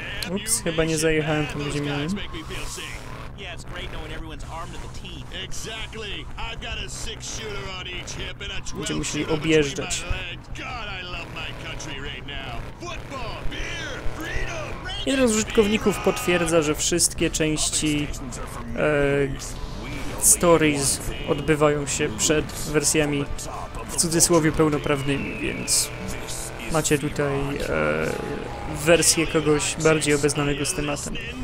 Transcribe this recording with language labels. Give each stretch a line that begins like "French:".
Polish: Ups, chyba nie zajechałem tam, gdzie miałem.
English: Yeah, it's great knowing everyone's armed to the teeth. Exactly. I've got a six shooter on each hip and a 12-shooter between my legs. God, I love my country right now. Football, beer, freedom.
Polish: Jeden z użytkowników potwierdza, że wszystkie części stories odbywają się przed wersjami w cudzysłowie pełnoprawnymi, więc macie tutaj wersję kogoś bardziej obeznanego z tematem.